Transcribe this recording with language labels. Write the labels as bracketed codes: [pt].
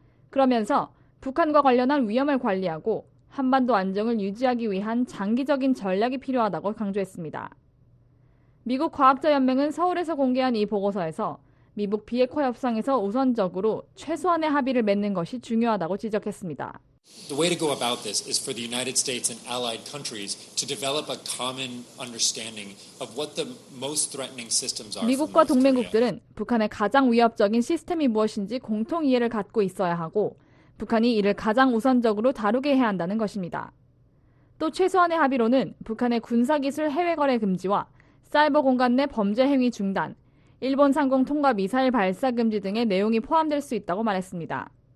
[ko] 그러면서 북한과 관련한 위험을 관리하고 한반도 안정을 유지하기 위한 장기적인 전략이 필요하다고 강조했습니다. 미국 과학자연맹은 서울에서 공개한 이 보고서에서 미북 비핵화 협상에서 우선적으로 최소한의 합의를 맺는 것이 중요하다고 지적했습니다. [en] The way to go about this is for the United States and allied countries to develop a common understanding of what the most threatening systems are. [ko] 미국과 동맹국들은 북한의 가장 위협적인 시스템이 무엇인지 공통 이해를 갖고 있어야 하고 북한이 이를 가장 우선적으로 다루게 해야 한다는 것입니다. 또 최소한의 합의로는 북한의 군사기술 해외거래 금지와 사이버 공간 내 범죄 행위 중단, 일본 상공 통과 미사일 발사 금지 등의 내용이 포함될 수 있다고 말했습니다.